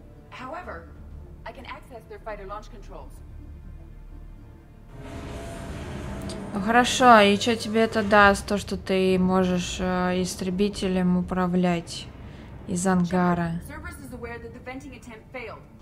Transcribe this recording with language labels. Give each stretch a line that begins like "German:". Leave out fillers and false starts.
English: However, I can access their fighter launch controls.
Russian: Ну хорошо, и что тебе это даст, то, что ты можешь истребителем управлять из ангара?
English: Service is aware that the venting attempt failed.